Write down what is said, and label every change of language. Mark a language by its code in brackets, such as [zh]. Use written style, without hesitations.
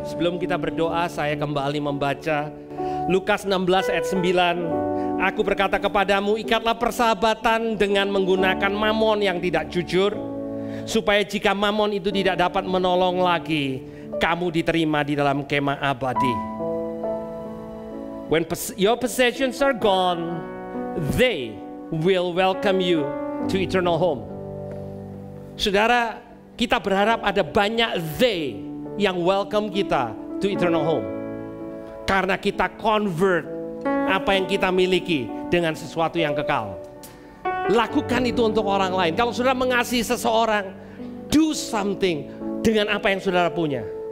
[id] Kita berdoa, saya kembali membaca Lukas 16 ayat 9. Aku berkata kepadamu, ikatlah persahabatan dengan menggunakan mamon yang tidak jujur, supaya jika mamon itu tidak dapat menolong lagi, kamu diterima di dalam kemah abadi. [en] When your possessions are gone, they will welcome you to eternal home. [id] Saudara, kita berharap ada banyak they yang welcome kita [en] to eternal home, [id] karena kita convert apa yang kita miliki dengan sesuatu yang kekal. Lakukan itu untuk orang lain. Kalau saudara mengasihi seseorang, [en] do something [id] dengan apa yang saudara punya.